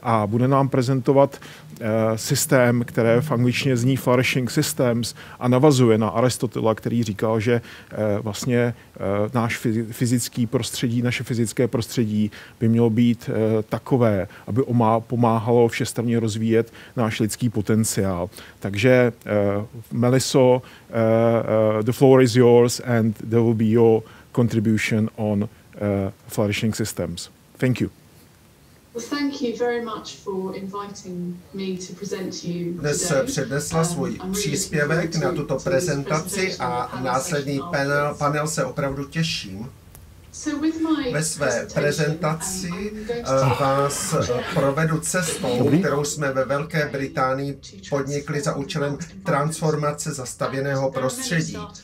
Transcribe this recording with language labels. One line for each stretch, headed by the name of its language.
Czech: A bude nám prezentovat systém, který v angličtině zní flourishing systems a navazuje na Aristotela, který říkal, že vlastně náš fyzický prostředí, naše fyzické prostředí by mělo být takové, aby pomáhalo všestranně rozvíjet náš lidský potenciál. Takže
English: Meliso, the floor is yours and there will be your contribution on flourishing systems. Thank you. Well, thank you very much for inviting me to present you today.
Czech: Dnes přednesla svůj příspěvek na tuto prezentaci a následný panel se opravdu těším. Ve své prezentaci vás provedu cestou, kterou jsme ve Velké Británii podnikli za účelem transformace zastavěného prostředí.